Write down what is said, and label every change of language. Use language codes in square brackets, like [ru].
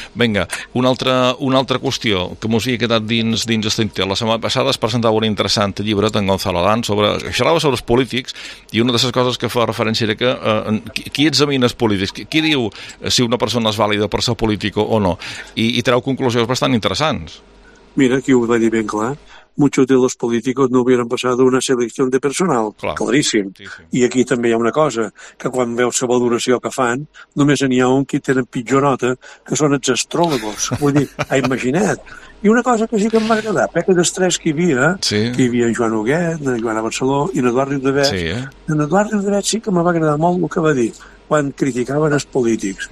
[ca] Vinga, una altra qüestió que m'ho havia quedat dins l'instituts. La setmana passada es presentava un interessant llibre d'en Gonzalo Adán, xerrava sobre els polítics, i una de les coses que fa referència era que qui examina els polítics, qui diu si una persona és vàlida per ser polític o no, i treu conclusions bastant interessants. Mira, aquí ho va dir ben clar. [es] Muchos de los políticos no hubieran pasado una selección de personal. [ca] Clar. Claríssim. Sí. I aquí també hi ha una cosa, que quan veus la valoració que fan, només n'hi ha un que té pitjor nota, que són els astròlegos. Vull dir, ha imaginat. I una cosa que sí que em va agradar, perquè dels tres que hi havia, que hi havia Joan Huguet, Joan Barceló i n'Eduard Riudavet, en Eduard Riudavet sí que em va agradar molt el que va dir quan criticaven els polítics.